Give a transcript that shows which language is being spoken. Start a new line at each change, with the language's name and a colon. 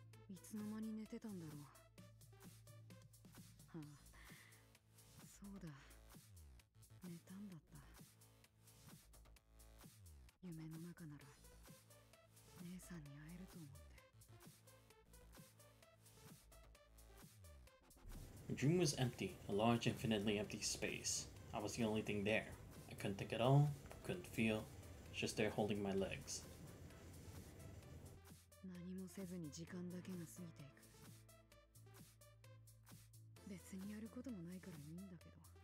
Japanese: いつの間に寝てたんだろう。はあ、そうだ、寝たんだった。夢の中なら姉さんに会えると思って。
English: The dream was empty, a large, infinitely empty space. I was the only thing there. I couldn't think at all, couldn't feel, just there holding my legs.
Japanese: 何もせずに時間だけが過ぎていく。別にやることもないからいいんだけど。